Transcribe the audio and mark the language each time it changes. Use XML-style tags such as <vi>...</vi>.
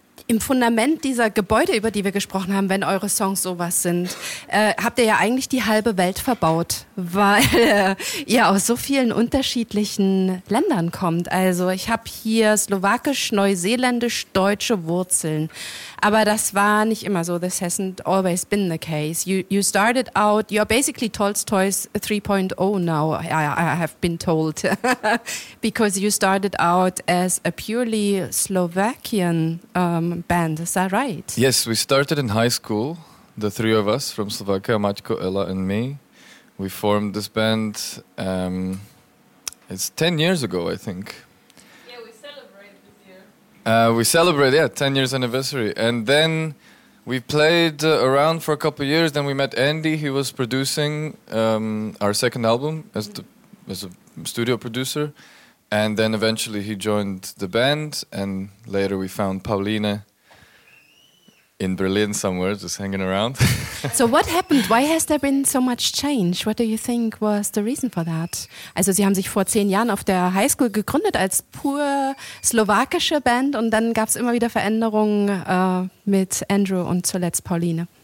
<de>Im Fundament dieser Gebäude, über die wir gesprochen haben, wenn eure Songs sowas sind, habt ihr ja eigentlich die halbe Welt verbaut, weil ihr aus so vielen unterschiedlichen Ländern kommt. Also ich habe hier slowakisch, neuseeländisch, deutsche Wurzeln. Aber das war nicht immer so.</de> <en>This hasn't always been the case. You started out, you're basically Tolstoy's 3.0 now, I have been told. Because you started out as a purely Slovakian band, is that right? Yes, we started in high school, the three of us from Slovakia, Maťko, Ella and me. We formed this band, it's 10 years ago, I think. We celebrate, 10 years anniversary. And then we played around for a couple of years. Then we met Andy. He was producing our second album as a studio producer. And then eventually he joined the band. And later we found Pauline in Berlin somewhere, just hanging around. So what happened? Why has there been so much change? What do you think was the reason for that?</en> <de>Also, sie haben sich vor 10 Jahren auf der Highschool gegründet als pur slowakische Band und dann gab es immer wieder Veränderungen mit Andrew und zuletzt Pauline.</de>